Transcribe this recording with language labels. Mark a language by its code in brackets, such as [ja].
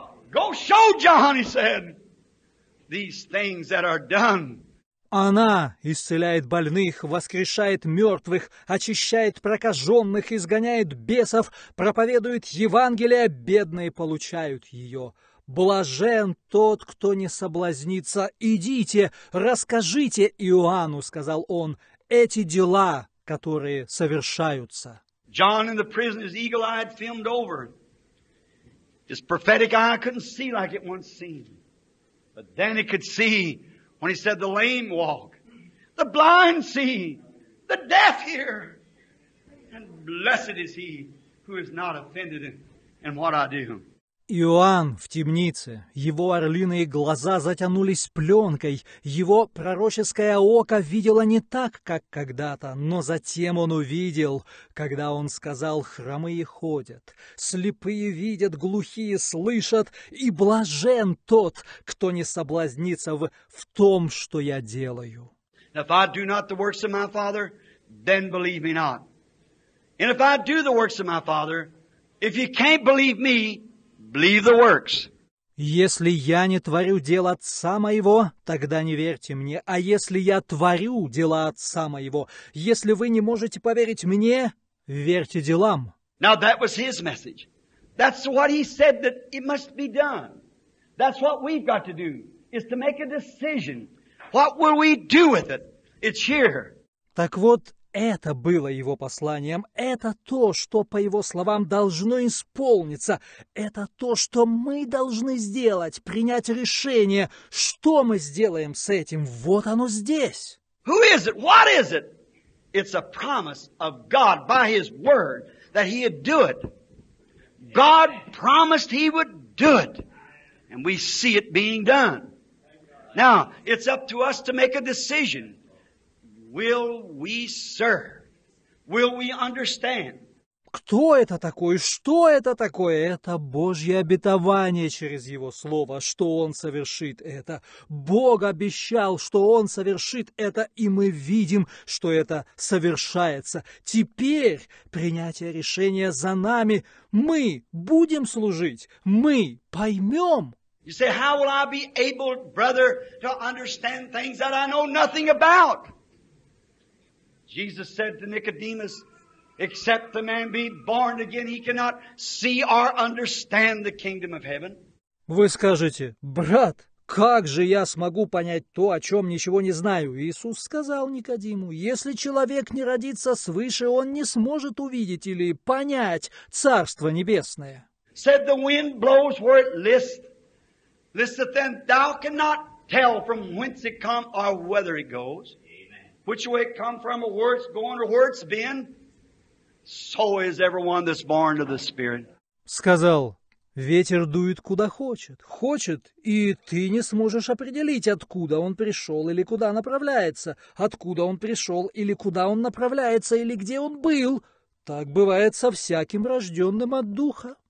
[en] Go show John, he said, these things that are done. [ru] Она исцеляет больных, воскрешает мертвых, очищает прокаженных, изгоняет бесов, проповедует Евангелие, бедные получают ее. Блажен тот, кто не соблазнится. Идите, расскажите Иоанну, сказал он, эти дела, которые совершаются. [en] John in the prison is eagle-eyed, filmed over. His prophetic eye couldn't see like it once seen. But then he could see when he said, the lame walk, the blind see, the deaf hear. And blessed is he who is not offended in what I do. [ru] Иоанн в темнице, его орлиные глаза затянулись пленкой, его пророческое око видело не так, как когда-то, но затем он увидел, когда он сказал, хромые ходят, слепые видят, глухие слышат, и блажен тот, кто не соблазнится в том, что я делаю. [en] If I do not the works of my Father, then believe me not. And if I do the works of my Father, if you can't believe me, believe the works. [ru] Если я не творю дел Отца Моего, тогда не верьте мне. А если я творю дела Отца Моего, если вы не можете поверить мне, верьте делам. [en] Now that was his message. That's what he said that it must be done. That's what we've got to do, is to make a decision. What will we do with it? It's here. [ru] Так вот, это было его посланием, это то, что, по его словам, должно исполниться, это то, что мы должны сделать, принять решение, что мы сделаем с этим, вот оно здесь. [en] Who is it? What is it? It's a promise of God by His Word that He would do it. God promised He would do it, and we see it being done. Now, it's up to us to make a decision. Will we serve? Will we understand? [ru] Кто это такой? Что это такое? Это Божье обетование через Его Слово, что Он совершит это. Бог обещал, что Он совершит это, и мы видим, что это совершается. Теперь принятие решения за нами. Мы будем служить. Мы поймем. [en] You say, how will I be able, brother, to understand things that I know nothing about? Jesus said to Nicodemus, except the man be born again, he cannot see or understand the kingdom of heaven. [ru] Вы скажете, брат, как же я смогу понять то, о чем ничего не знаю? Иисус сказал Никодиму, если человек не родится свыше, он не сможет увидеть или понять Царство Небесное. [en] Said the wind blows where it lists, Listen, then, thou cannot tell from whence it comes or whether it goes. Amen. Which way it comes from, or where it's going, or where it's been. So is everyone that's born of the Spirit. [ru] Сказал, ветер дует куда хочет. Хочет, и ты не сможешь определить, откуда он пришел или куда направляется. Откуда он пришел или куда он направляется или где он был. Так бывает со всяким рожденным от Духа.